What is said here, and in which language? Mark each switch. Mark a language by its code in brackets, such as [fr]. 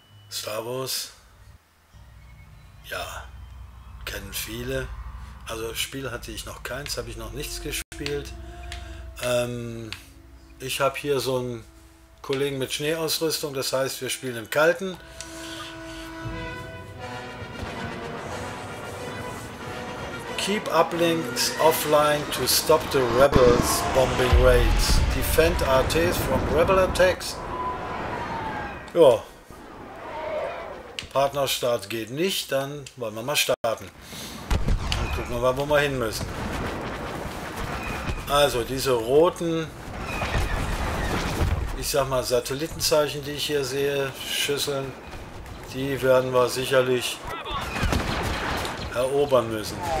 [de] Star Wars, ja, kennen viele. Also Spiel hatte ich noch keins, habe ich noch nichts gespielt. Ich habe hier so einen Kollegen mit Schneeausrüstung, das heißt, wir spielen im Kalten. [en] Keep uplinks offline to stop the rebels bombing raids. Defend ATs from rebel attacks. [de] Ja. Partnerstart geht nicht, dann wollen wir mal starten. Dann gucken wir mal, wo wir hin müssen. Also diese roten, ich sag mal Satellitenzeichen, die ich hier sehe, Schüsseln, die werden wir sicherlich erobern müssen.